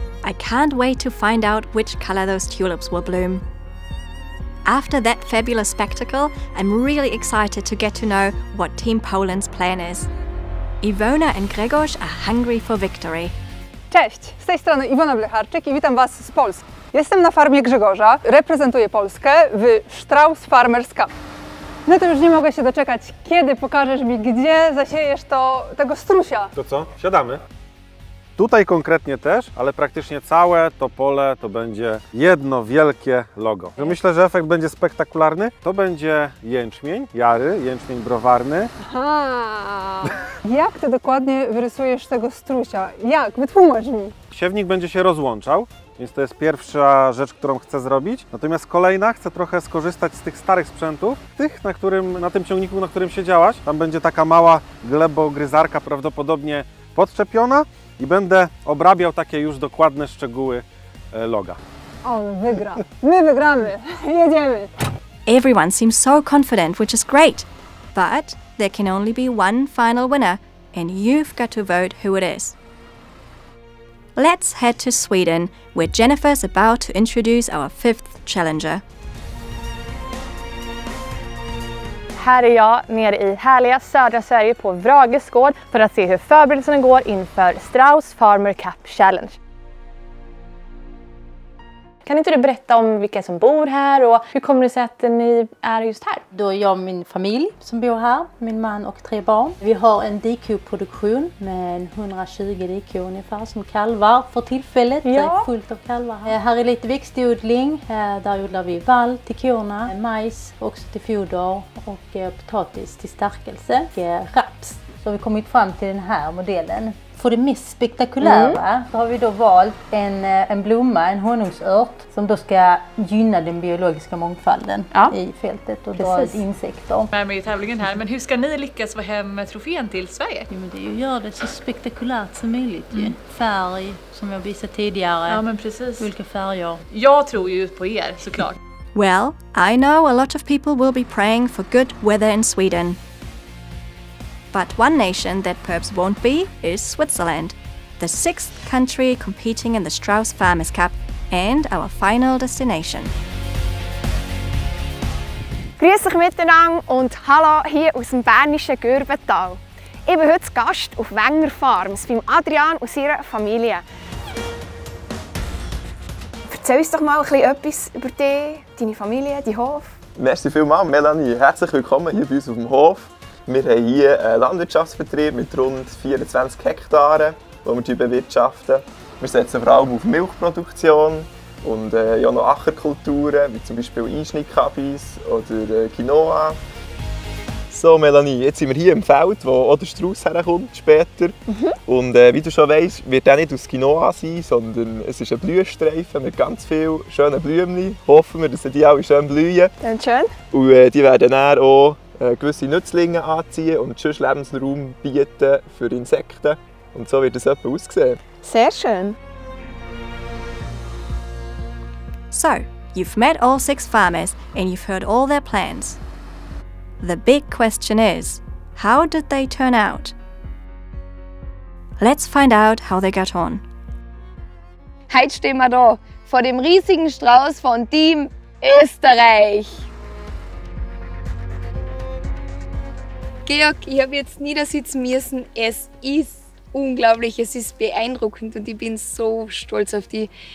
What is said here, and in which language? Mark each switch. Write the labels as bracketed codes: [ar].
[en] I can't wait to find out which color those tulips will bloom. After that fabulous spectacle, I'm really excited to get to know what Team Poland's plan is. Iwona and Grzegorz are hungry for victory. [pl] Cześć, z tej strony Iwona Blecharczyk i witam Was z Polski. Jestem na farmie Grzegorza, reprezentuję Polskę w Strauss Farmers Cup. No to już nie mogę się doczekać, kiedy pokażesz mi, gdzie zasiejesz tego strusia. To co? Siadamy. Tutaj konkretnie też, ale praktycznie całe to pole to będzie jedno wielkie logo. Myślę, że efekt będzie spektakularny. To będzie jęczmień jary, jęczmień browarny. Aha. Jak ty dokładnie wyrysujesz tego strusia? Jak? Wytłumacz mi. Siewnik będzie się rozłączał, więc to jest pierwsza rzecz, którą chcę zrobić. Natomiast kolejna, chcę trochę skorzystać z tych starych sprzętów. Tych, na którym, na tym ciągniku, na którym siedziałaś. Tam będzie taka mała glebogryzarka prawdopodobnie podczepiona. I będę obrabiał takie już dokładne szczegóły loga. On wygra. My wygramy. Jedziemy. [en] Everyone seems so confident, which is great. But there can only be one final winner, and you've got to vote who it is. Let's head to Sweden, where Jennifer's about to introduce our fifth challenger. [sv] Här är jag nere i härliga södra Sverige på Vrages gård för att se hur förberedelserna går inför Strauss Farmer Cup Challenge. Kan inte du berätta om vilka som bor här och hur kommer det sig att ni är just här? Då är jag och min familj som bor här, min man och tre barn. Vi har en DQ-produktion med 120 DQ ungefär som kalvar för tillfället. Ja. Det är fullt av kalvar här. Här är lite växtodling. Där odlar vi vall till korna, majs också till foder och potatis till stärkelse och raps. Så har vi kommit fram till den här modellen. För det mest spektakulära så har vi då valt en blomma, en honungsört, som då ska gynna den biologiska mångfalden i fältet och dra insekter. Jag är med i tävlingen här, men hur ska ni lyckas få hem trofén till Sverige? Ja, men det är ju att göra det så spektakulärt som möjligt. Mm. Ju. Färg, som jag visade tidigare. Ja, men precis. Vilka färger. Jag tror ju på er, såklart. [en] Well, I know a lot of people will be praying for good weather in Sweden. But one nation that perhaps won't be is Switzerland, the sixth country competing in the Strauss Farmers Cup and our final destination. [de] Grüß euch miteinander und hallo hier aus dem bernischen Gürbental. Ich bin heute Gast auf Wenger Farms beim Adrian und seiner Familie. Erzähl uns doch mal ein bisschen etwas über dich, deine Familie, deinen Hof. Merci vielmals, Melanie. Herzlich willkommen hier bei uns auf dem Hof. Wir haben hier einen Landwirtschaftsbetrieb mit rund 24 Hektaren, die wir bewirtschaften. Wir setzen vor allem auf Milchproduktion und ja noch Ackerkulturen, wie zum Beispiel Einschnittkabis oder Quinoa. So Melanie, jetzt sind wir hier im Feld, wo auch der Strauss herkommt später. Mhm. Und wie du schon weißt, wird der nicht aus Quinoa sein, sondern es ist ein Blühstreifen mit ganz vielen schönen Blumen. Hoffen wir, dass die alle schön blühen. Dann schön. Und die werden dann auch gewisse Nützlinge anziehen und sonst Lebensraum bieten für Insekten. Und so wird es etwa aussehen. Sehr schön. [en] So, you've met all six farmers and you've heard all their plans. The big question is, how did they turn out? Let's find out how they got on. [de] Heute stehen wir da vor dem riesigen Strauß von Team Österreich. Georg, ich habe jetzt niedersitzen müssen. Es ist unglaublich, es ist beeindruckend und ich bin so stolz auf dich.